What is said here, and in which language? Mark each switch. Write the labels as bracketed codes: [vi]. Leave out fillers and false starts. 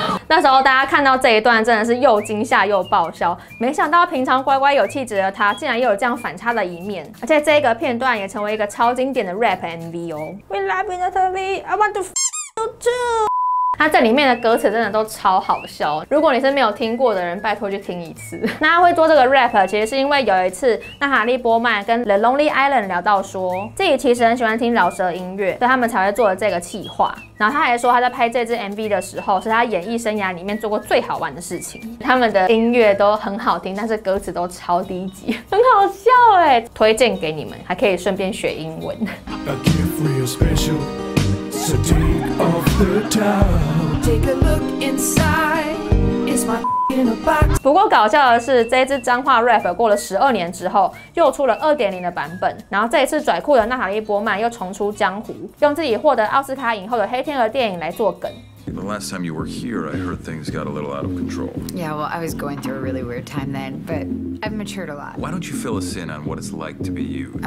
[zh] 那时候大家看到这一段真的是又惊吓又爆笑，没想到平常乖乖有气质的他竟然又有这样反差的一面，而且这个片段也成为一个超经典的 rap MV 哦。 [en] We love you, Natalie. I want to f you too. [zh] 他这里面的歌词真的都超好笑，如果你是没有听过的人，拜托去听一次。那他会做这个 rap， 其实是因为有一次娜塔莉波曼跟 The Lonely Island 聊到说，自己其实很喜欢听饶舌音乐，所以他们才会做了这个企划。然后他还说他在拍这支 MV 的时候，是他演艺生涯里面做过最好玩的事情。他们的音乐都很好听，但是歌词都超低级，很好笑哎，推荐给你们，还可以顺便学英文。 [en] So take off the towel. Take a look inside. [zh] 不过搞笑的是，这一支脏话 rap 过了12年之后，又出了2.0的版本。然后这一次拽酷的娜塔莉波曼又重出江湖，用自己获得奥斯卡影后的黑天鹅电影来做梗。 [en] The last time you were here, I heard things got a little out of control. Yeah, well, I was going through a really weird time then, but I've matured a lot. Why don't you fill us in on what it's like to be you?